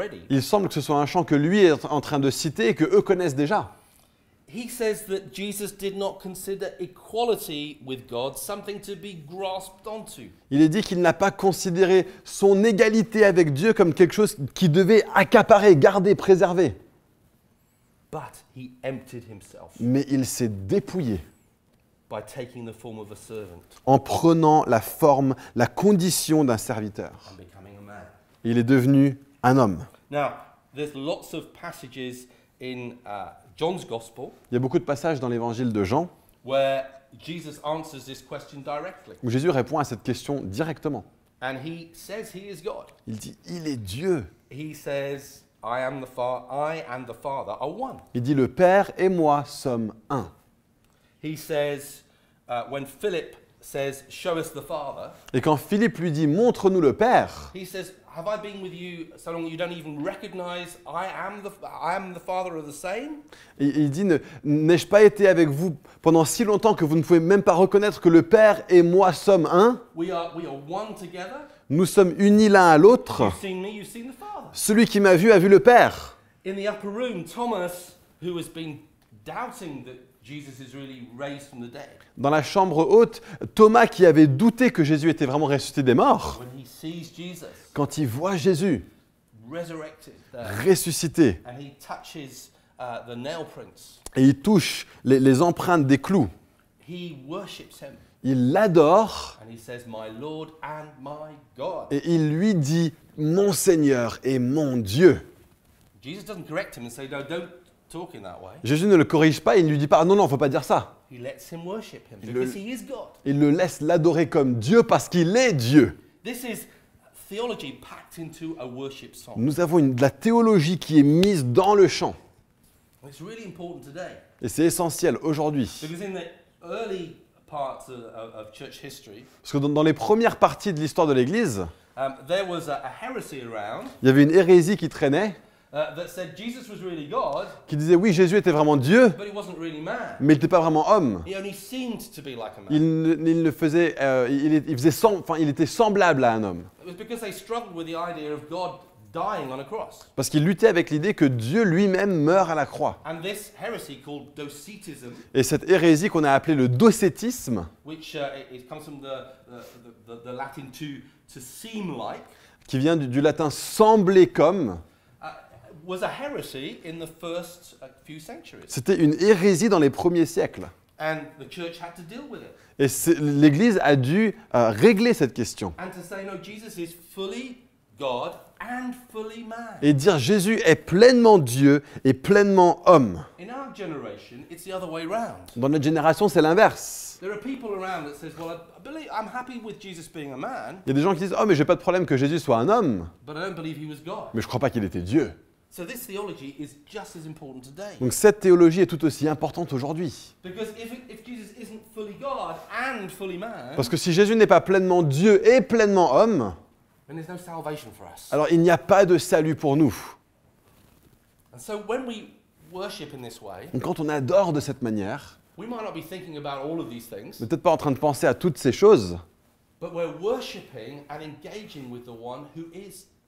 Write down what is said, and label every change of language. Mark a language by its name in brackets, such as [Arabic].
[French] Il semble que ce soit un chant que lui est en train de citer et que eux connaissent déjà. [English] He says that Jesus did not consider equality with God something to be grasped onto. [French] Il est dit qu'il n'a pas considéré son égalité avec Dieu comme quelque chose qui devait accaparer, garder, préserver. [English] But he emptied himself. [French] Mais il s'est dépouillé. [English] By taking the form of a servant. [French] En prenant la forme, la condition d'un serviteur. Il est devenu un homme. [English] Now, there's lots of passages in John's gospel. [French] Il y a beaucoup de passages dans l'évangile de Jean. [English] Where Jesus answers this question directly. [French] Où Jésus répond à cette question directement. [English] And he says he is God. [French] Il dit, il est Dieu. [English] He says, I and the Father are one. [French] Il dit, le Père et moi sommes un. [English] He says, when Philip says, show us the Father. [French] Et quand Philippe lui dit, montre-nous le Père. [English] He says, have I been with you so long you don't even recognize I am the father of the same? [French] Il dit, n'ai-je pas été avec vous pendant si longtemps que vous ne pouvez même pas reconnaître que le Père et moi sommes un? [English] We are one together. [French] Nous sommes unis l'un à l'autre. [English] You've seen me, you've seen the Father. [French] Celui qui m'a vu a vu le Père. [English] In the upper room, Thomas, who has been doubting that Jesus is really raised from the dead. [French] Dans la chambre haute, Thomas qui avait douté que Jésus était vraiment ressuscité des morts, [English] when he sees Jesus, [French] quand il voit Jésus [English] resurrected, [French] ressuscité, [English] and he touches, the nail prints, [French] et il touche les empreintes des clous, [English] he worships him, [French] il l'adore, [English] and he says, my Lord and my God. [French] Et il lui dit, mon Seigneur et mon Dieu. [English] Jesus doesn't correct him and say, no, don't. Talking that way. [French] Jésus ne le corrige pas, il ne lui dit pas « Non, non, il ne faut pas dire ça. » Il le laisse l'adorer comme Dieu parce qu'il est Dieu. [English] This is theology packed into a worship song. [French] Nous avons de la théologie qui est mise dans le chant. [English] It's really important today. [French] Et c'est essentiel aujourd'hui. [English] Because in the early parts of church history, [French] parce que dans les premières parties de l'histoire de l'Église, [English] there was a heresy around, [French] il y avait une hérésie qui traînait. [English] That said Jesus was really God, [French] qui disait oui, Jésus était vraiment Dieu, [English] but he wasn't really man. [French] Mais il n'était pas vraiment homme. [English] He only seemed to be like a man. [French] Il était semblable à un homme. [English] It was because they struggled with the idea of God dying on a cross. [French] Parce qu'il luttait avec l'idée que Dieu lui-même meurt à la croix. [English] And this heresy called docetism, [French] et cette hérésie qu'on a appelée le docétisme, [English] which it comes from the Latin to seem like, [French] qui vient du latin sembler comme. [English] Was a heresy in the first few centuries. [French] C'était une hérésie dans les premiers siècles. [English] And the church had to deal with it. [French] Et l'Église a dû régler cette question. [English] And to say, no, Jesus is fully God and fully man. [French] Et dire Jésus est pleinement Dieu et pleinement homme. [English] In our generation, it's the other way around. [French] Dans notre génération, c'est l'inverse. [English] There are people around that says, well, I believe I'm happy with Jesus being a man. [French] Il y a des gens qui disent, oh, mais j'ai pas de problème que Jésus soit un homme. [English] But I don't believe he was God. [French] Mais je crois pas qu'il était Dieu. [English] So this theology is just as important today. [French] Donc cette théologie est tout aussi importante aujourd'hui. [English] Because if Jesus isn't fully God and fully man, [French] parce que si Jésus n'est pas pleinement Dieu et pleinement homme, [English] then there's no salvation for us. [French] Alors il n'y a pas de salut pour nous. [English] And so when we worship in this way, [French] donc quand on adore de cette manière, [English] we might not be thinking about all of these things, [French] peut-être pas en train de penser à toutes ces choses, [English] but we're worshiping and engaging with the one who is.